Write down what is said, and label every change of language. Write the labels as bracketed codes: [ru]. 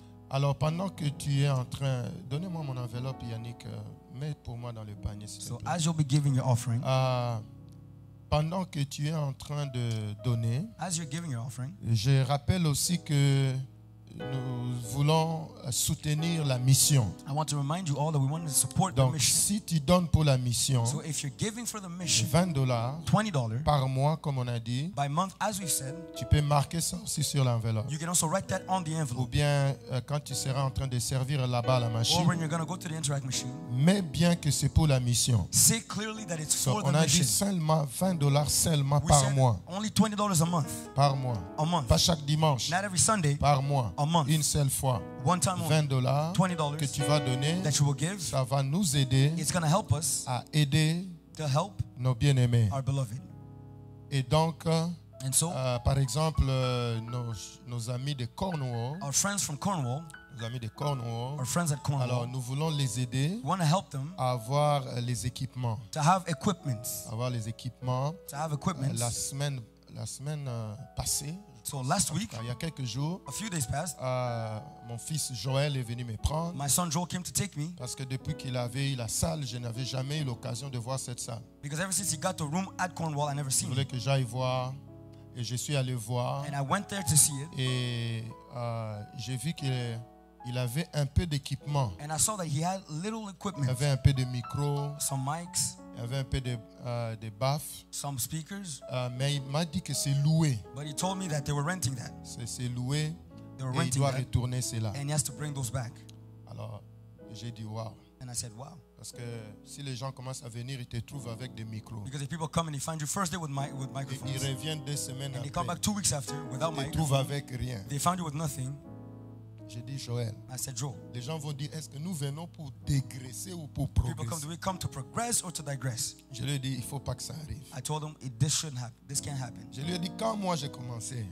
[fr] Alors pendant que tu es en train, donnez-moi mon enveloppe, Yannick. Mets pour moi dans le panier, s'il te plaît. [en] So as you'll be giving your offering. [fr] Pendant que tu es en train de donner, [en] as you're giving your offering, [fr] je rappelle aussi que nous voulons soutenir la mission. [en] I want to remind you all that we want to support [fr] donc, [en] the mission. [fr] Donc si tu donnes pour la mission, [en] so if you're giving for the mission, [fr] $20 par mois comme on a dit, [en] by month as we've said, [fr] tu peux marquer ça aussi sur l'enveloppe. [en] You can also write that on the envelope. [fr] Ou bien quand tu seras en train de servir là-bas la machine. [en] Or when you're going to go to the interact machine. [fr] Mets bien que c'est pour la mission. [en] Say clearly that it's so, [fr] On a dit seulement $20 seulement [en] we [fr] par mois. [en] Only $20 a month. [fr] Par mois. [en] A month. [fr] Pas chaque dimanche. [en] Not every Sunday. [fr] Par mois. [en] A month, [fr] une seule fois, [en] one time [fr] $20, [en] $20 [fr] que tu vas donner, [en] that you will give, [fr] ça va nous aider, [en] it's gonna help us [fr] à aider [en] to help [fr] nos bien-aimés, [en] our beloved. [fr] Et donc, [en] and so, [fr] par exemple, nos amis de Cornwall, [en] our friends from Cornwall, [fr] nos amis de Cornwall, [en] our friends at Cornwall, [fr] alors nous voulons les aider, [en] we wanna help them [fr] à avoir les équipements, [en] to have equipments, [fr] avoir les équipements, [en] to have equipments. [fr] La semaine passée. [en] So last week, [fr] il y a quelques jours, [en] a few days passed, [fr] mon fils Joël est venu me prendre. [en] My son Joel came to take me. [fr] Parce que depuis qu'il avait eu la salle, je n'avais jamais eu l'occasion de voir cette salle. [en] Because ever since he got the room at Cornwall, I never seen it. [fr] Je voulais que j'aille voir. Et je suis allé voir. [en] And I went there to see it. [fr] Et j'ai vu qu'il est Il avait un peu d'équipement. [en] And I saw that he had little equipment. [fr] Il avait un peu de micro. [en] Some mics. [fr] Il avait un peu de baffes. [en] Some speakers. [fr] Mais il m'a dit que c'est loué. [en] But he told me that they were renting that. [fr] C'est loué. [en] They were renting [fr] et il doit Retourner cela. [en] And he has to bring those back. [fr] Alors, j'ai dit wow. [en] And I said wow. [fr] Parce que si les gens commencent à venir, ils te trouvent avec des micros. [en] Because if people come and they find you first day with microphones. [fr] Ils reviennent deux semaines [en] and And they come back 2 weeks after without [fr] microphones. Ils trouvent avec rien. [en] They found you with nothing. [fr] J'ai dit Joël. [en] I said Joel. [fr] Les gens vont dire, est-ce que nous venons pour dégraisser ou pour progresser? [en] People come, do we come to progress or to digress? [fr] Je lui ai dit, il faut pas que ça arrive. [en] I told him, this shouldn't happen. This can't happen. [fr] Je lui ai dit, quand moi j'ai commencé.